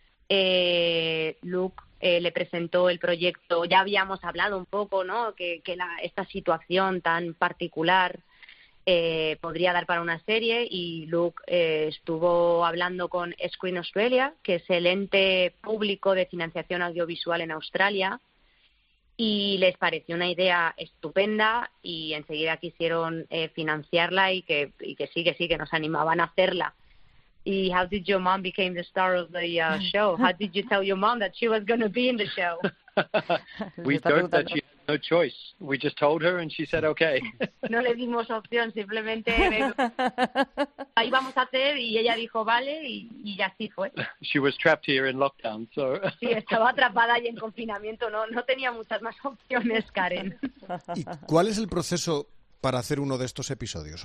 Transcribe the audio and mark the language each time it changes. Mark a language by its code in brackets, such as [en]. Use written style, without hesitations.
[es] Luke le presentó el proyecto, ya habíamos hablado un poco, ¿no?, esta situación tan particular podría dar para una serie, y Luke estuvo hablando con Screen Australia, que es el ente público de financiación audiovisual en Australia, y les pareció una idea estupenda, y enseguida quisieron financiarla, y que nos animaban a hacerla. [en] ¿Y how did your mom became the star of the show? How did you tell your mom that she was going to be in the show? We thought that she had no choice. We just told her and she said okay. [es] No le dimos opción, simplemente ahí vamos a hacer y ella dijo vale y así fue. [en] She was trapped here in lockdown, so. [es] Sí, estaba atrapada ahí en confinamiento, no tenía muchas más opciones, Karen. ¿Y cuál es el proceso para hacer uno de estos episodios?